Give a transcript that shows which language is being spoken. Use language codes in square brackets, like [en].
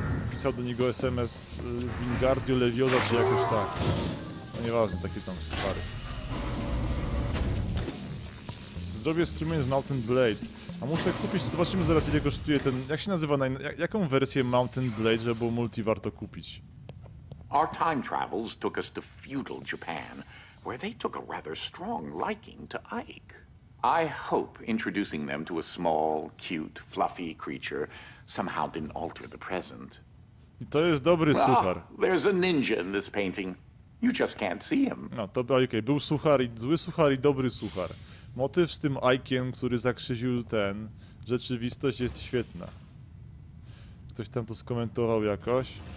[pl] Pisał do niego SMS Wingardio Leviosa, czy jakoś tak. No nieważne, takie tam stary. Zdrowie strumień z Mountain Blade. A muszę kupić, zobaczymy zaraz ile kosztuje ten, jak się nazywa, jaką wersję Mountain Blade, żeby było multi warto kupić? [en] Our time travels took us to feudal Japan, where they took a rather strong liking to Ike. I hope introducing them to a small, cute, fluffy creature somehow didn't alter the present. [pl] I to jest dobry suchar. [en] Well, there's a ninja in this painting. You just can't see him. [pl] No, to był, okay, był suchar, i zły suchar i dobry suchar. Motyw z tym Ike'iem, który zakrzyził ten, rzeczywistość jest świetna. Ktoś tam to skomentował jakoś.